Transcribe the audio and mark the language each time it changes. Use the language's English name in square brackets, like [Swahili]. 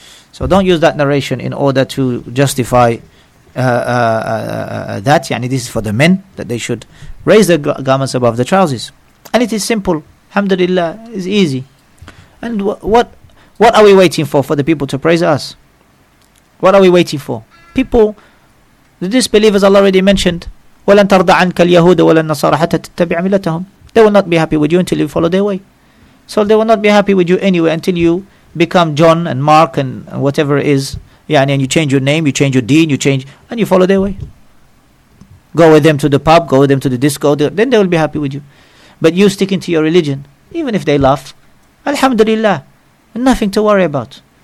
[English] So don't use that narration in order to justify that. This is for the men, that they should raise their garments above the trousers. And it is simple. Alhamdulillah, it's easy. And what are we waiting for the people to praise us? What are we waiting for? People, the disbelievers, Allah already mentioned, [Arabic] وَلَنْ تَرْضَ عَنْكَ الْيَهُودَ وَلَا النَّصَارَ حَتَّى تَتَّبِعَ مِلَّتَهُمْ. [English] They will not be happy with you until you follow their way. So they will not be happy with you anyway until you become John and Mark and whatever it is. And you change your name, you change your deen, and you follow their way. Go with them to the pub, go with them to the disco, then they will be happy with you. But you sticking to your religion, even if they laugh, alhamdulillah, nothing to worry about.